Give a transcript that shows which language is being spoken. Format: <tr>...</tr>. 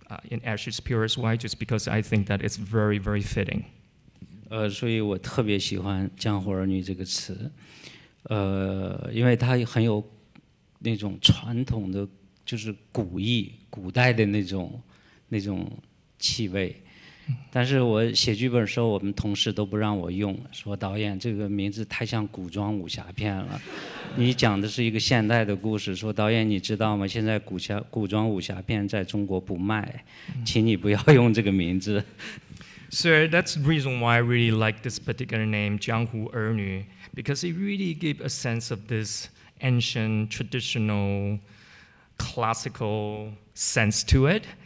<en>In Ash Is Purest White, just because I think that it's very, very fitting.</en> <zh>所以我特别喜欢“江湖儿女”这个词，因为它很有那种传统的，就是古意、古代的那种气味。但是我写剧本的时候，我们同事都不让我用，说导演这个名字太像古装武侠片了。你讲的是一个现代的故事，说导演你知道吗？现在古装武侠片在中国不卖，请你不要用这个名字。</zh> <en>So that's the reason why I really like this particular name, 江湖儿女, because it really gives a sense of this ancient, traditional, classical sense to it.</en>